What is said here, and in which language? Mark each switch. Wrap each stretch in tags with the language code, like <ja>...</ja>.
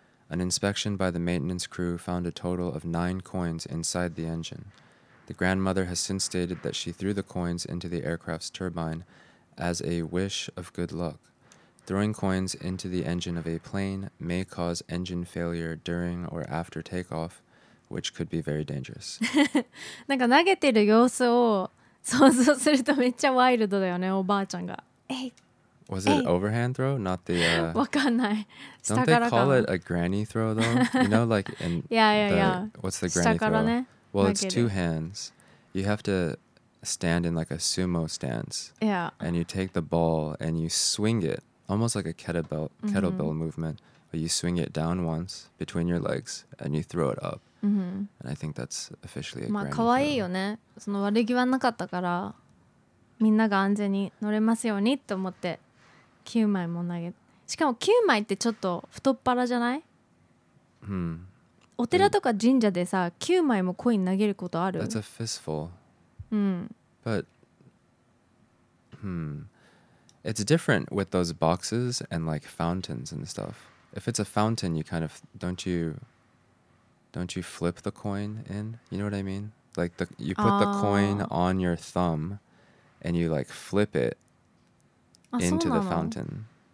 <en>An inspection by the maintenance crew found a total of 9 coins inside the engine. The grandmother has since stated that she threw the coins into the aircraft's turbine as a wish of good luck. Throwing coins into the engine of a plane may cause engine failure during or after takeoff, which could be very dangerous.</en> <ja>なんか投げてる様子を想像するとめっちゃワイルドだよね、おばあちゃんが。</ja> <en>Was it overhand throw? Not the...</en> <ja>わかんない。</ja> <en>Don't they call it a granny throw though? You know, like in... What's the granny throw?</en> <ja>ね、</ja> <en>well, it's two hands. You have to... stand in like a sumo stance. Yeah. And you take the ball and you swing it, almost like a kettlebell movement, but you swing it down once between your legs and you throw it up. Mm-hmm. And I think that's officially a grand throw.</en> <ja>まあ、可愛いよね。その悪気はなかったから、みんなが安全に乗れますようにと思って9枚も投げ。しかも9枚ってちょっと太っ腹じゃない？お寺とか神社でさ、9枚もコイン投げることある？</ja> <en>That's a fistful. But it's different with those boxes and like fountains and stuff. If it's a fountain, you kind of don't you flip the coin in? You know what I mean? Like you put the coin on your thumb and you like flip it into the fountain.</en>